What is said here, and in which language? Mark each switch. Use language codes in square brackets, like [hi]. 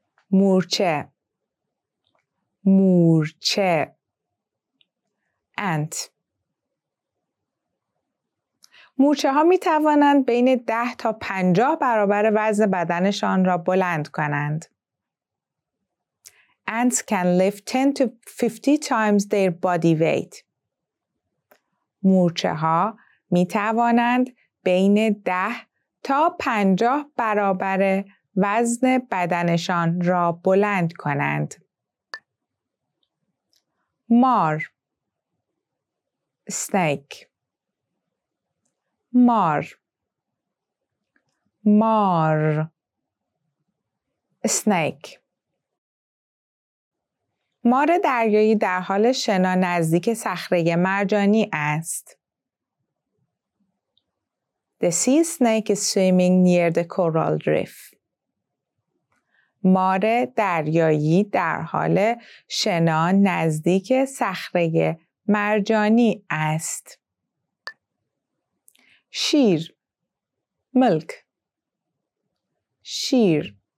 [fa] مورچه مورچه [en] ant [fa] مورچه ها می توانند بین 10 تا 50 برابر وزن بدنشان را بلند کنند. [en] Ants can lift 10 to 50 times their body weight. [fa] مورچه ها می توانند بین 10 تا 50 برابر وزن بدنشان را بلند کنند. مار [en] snake [fa] مار مار [en] snake [fa] مار دریایی در حال شنا نزدیک صخره مرجانی است. [en] The sea snake is swimming near the coral reef. [fa] مار دریایی در حال شنا نزدیک صخره مرجانی است. شیر [en] milk [fa] شیر